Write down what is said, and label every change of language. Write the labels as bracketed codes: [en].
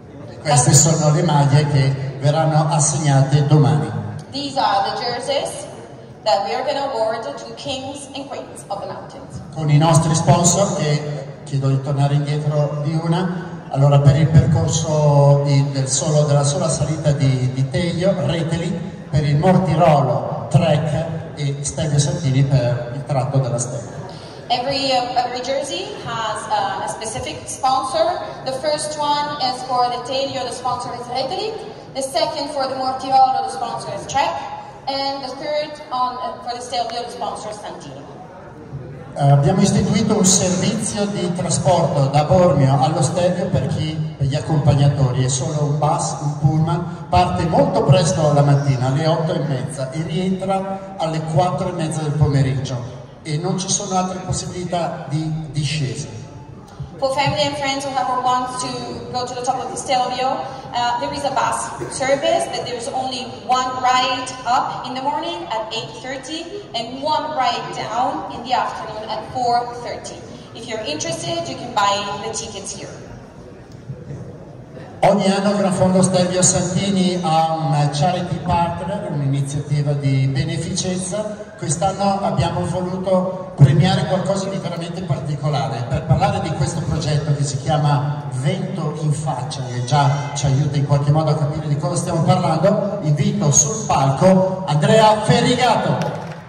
[it] E queste sono le maglie che verranno assegnate domani. [en] These are the jerseys that we are going to award to kings and queens of the mountains. [it] Con i nostri sponsor, che chiedo di tornare indietro di una. Allora, per il percorso della sola salita di Teglio, Reteli, per il Mortirolo Trek, e Stelvio Santini per il tratto della stella. [en] Every jersey has a specific sponsor. The first one is for the Teglio, the sponsor is Reddit. The second for the Mortirolo, the sponsor is Trek. And the third for the Stelvio, the sponsor is Santini. [it] Abbiamo istituito un servizio di trasporto da Bormio allo Stelvio per gli accompagnatori. È solo un bus, un pullman, parte molto presto la mattina alle 8:30 e rientra alle 4:30 del pomeriggio e non ci sono altre possibilità di discesa. [en] For family and friends who want to go to the top of the Stelvio, there is a bus service, but there is only one ride up in the morning at 8:30 and one ride down in the afternoon at 4:30. If you're interested, you can buy the tickets here. [it] Ogni anno Granfondo Stelvio Santini ha un [en] charity partner, [it] un'iniziativa di beneficenza. Quest'anno abbiamo voluto premiare qualcosa di veramente particolare. Per parlare di questo progetto che si chiama Vento in Faccia, che già ci aiuta in qualche modo a capire di cosa stiamo parlando, invito sul palco Andrea Ferrigato.